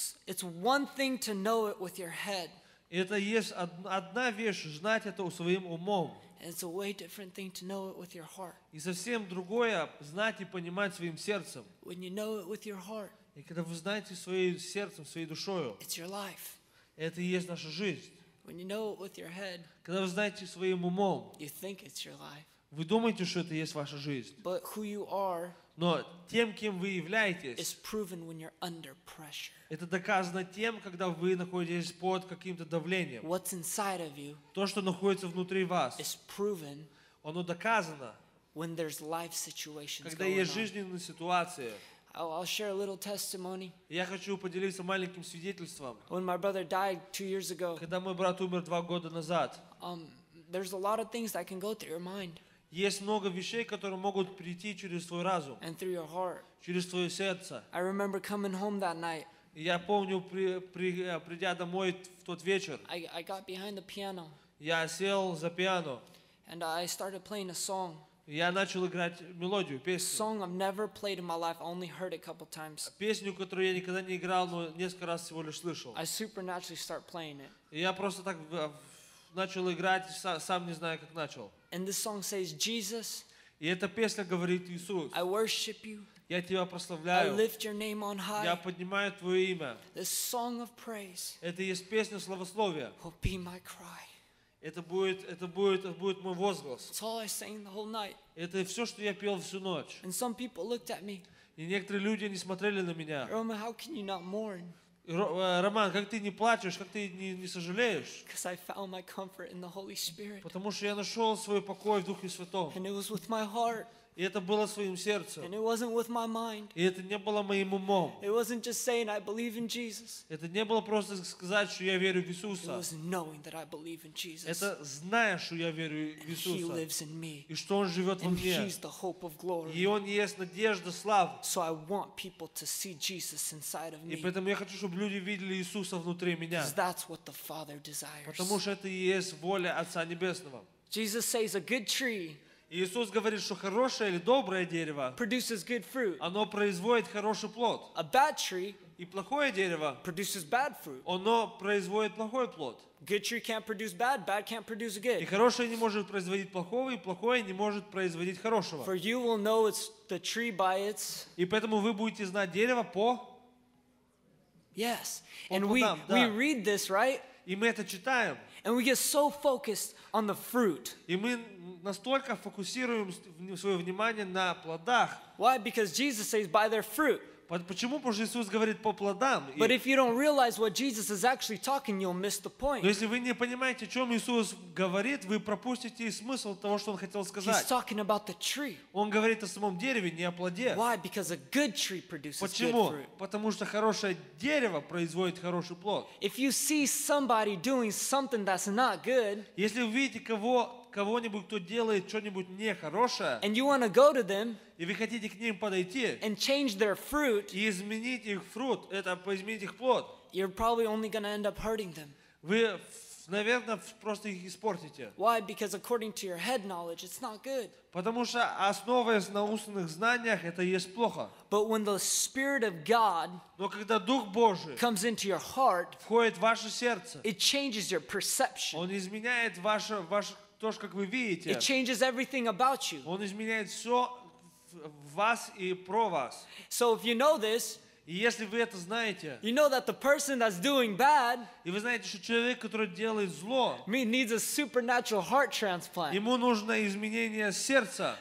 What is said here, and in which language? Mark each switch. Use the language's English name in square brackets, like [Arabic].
[English] It's one thing to know it with your head. [Russian] Это есть одна вещь, знать это своим умом. [English] And it's a way different thing to know it with your heart. [Russian] И совсем другое знать и понимать своим сердцем. [English] When you know it with your heart. [Russian] И когда вы знаете своим сердцем, своей душою. [English] It's your life. [Russian] Это и есть наша жизнь. [English] When you know it with your head. [Russian] Когда вы знаете своим умом. [English] You think it's your life. [Russian] Вы думаете, что это и есть ваша жизнь. [English] But who you are. [Russian] Но тем, кем вы являетесь. [English] Is proven when you're under pressure. [Russian] Это доказано тем, когда вы находитесь под каким-то давлением. [English] What's inside of you, [Russian] то, что находится внутри вас, [English] is proven, [Russian] оно доказано, [English] when there's life situations [Russian] когда [English] going [Russian] есть жизненные ситуации. [English] I'll share a little testimony. [Russian] Я хочу поделиться маленьким свидетельством. [English] When my brother died 2 years ago, [Russian] когда мой брат умер 2 года назад, [English] there's a lot of things that can go through your mind. [Russian] Есть много вещей, которые могут прийти через твой разум, [English] and through your heart. [Russian] Через твое сердце. [English] I remember coming home that night. [Russian] Я помню, придя домой в тот вечер, [English] I got behind the piano, [Russian] я сел за пиано, [English] and I started playing a song. [Russian] Я начал играть мелодию, песню. [English] Song I've never played in my life, only heard a couple times. [Russian] Песню, которую я никогда не играл, но несколько раз всего лишь слышал. [English] I supernaturally start playing it. [Russian] Я просто так начал играть, сам не знаю, как начал. [English] And this song says, Jesus. [Russian] И эта песня говорит, Иисус. [English] I worship you. [Russian] Я тебя прославляю. [English] I lift your name on high. [Russian] Я поднимаю твое имя. [English] This song of praise. [Russian] Это есть песня славословия. [English] Will be my cry. [Russian] Это будет мой возглас. [English] It's all I sang the whole night. [Russian] Это все, что я пел всю ночь. [English] And some people looked at me. [Russian] И некоторые люди не смотрели на меня. [English] Roman, how can you not mourn? [Russian] Роман, как ты не плачешь, как ты не сожалеешь? [English] Because I found my comfort in the Holy Spirit. [Russian] Потому что я нашел свой покой в Духе Святом. [English] And it was with my heart. [Russian] И это было своим сердцем. [English] And it wasn't with my mind. [Russian] И это не было моим умом. [English] It wasn't just saying I believe in Jesus. [Russian] Это не было просто сказать, что я верю в Иисуса. [English] It was knowing that I believe in Jesus. [Russian] Это зная, что я верю в Иисуса. [English] And He lives in me. [Russian] И что Он живет во мне. [English] And He's the hope of glory. [Russian] И Он есть надежда славы. [English] So I want people to see Jesus inside of me. [Russian] И поэтому я хочу, чтобы люди видели Иисуса внутри меня. [English] Because that's what the Father desires. [Russian] Потому что это и есть воля Отца Небесного. [English] Jesus says a good tree. [Russian] Иисус говорит, что хорошее или доброе дерево [English] produces good fruit. [Russian] Оно производит хороший плод. [English] A bad tree [Russian] и плохое дерево [English] produces bad fruit. [Russian] Оно производит плохой плод. [English] Good tree can't produce bad, bad can't produce good. [Russian] И хорошее не может производить плохого, и плохое не может производить хорошего. [English] For you will know it's the tree by its... [Russian] И поэтому вы будете знать дерево по... [English] Yes. [Russian] По [English] And [Russian] плодам, [English] we read this, right? [Russian] И мы это читаем. [English] And we get so focused on the fruit. [Russian] И мы настолько фокусируем свое внимание на плодах. [English] Why? Because Jesus says, "By their fruit." [Russian] Почему? Потому что Иисус говорит по плодам. [English] But if you don't realize what Jesus is actually talking, you'll miss the point. [Russian] Но если вы не понимаете, о чем Иисус говорит, вы пропустите смысл того, что Он хотел сказать. [English] He's talking about the tree. [Russian] Он говорит о самом дереве, не о плоде. [English] Why? Because a good tree produces good fruit. [Russian] Почему? Потому что хорошее дерево производит хороший плод. [English] If you see somebody doing something that's not good, [Russian] если вы видите кого-нибудь, кто делает что-нибудь нехорошее, [English] and you want to go to them, [Russian] и вы хотите к ним подойти [English] and change their fruit, [Russian] и изменить их фрукт, это изменить их плод, [English] you're probably only going to end up hurting them. [Russian] Вы, наверное, просто их испортите. [English] Why? Because according to your head knowledge, it's not good. [Russian] Потому что, основываясь на устных знаниях, это есть плохо. [English] But when the Spirit of God comes into your heart, [Russian] входит в ваше сердце, [English] it changes your perception. [Russian] Он изменяет ваше то, как вы видите. [English] It changes everything about you. [Russian] Он изменяет все в вас и про вас. [English] So if you know this, [Russian] и если вы это знаете, [English] you know that the person that's doing bad, [Russian] и вы знаете, что человек, который делает зло, [English] needs a supernatural heart transplant. [Russian] Ему нужно изменение сердца,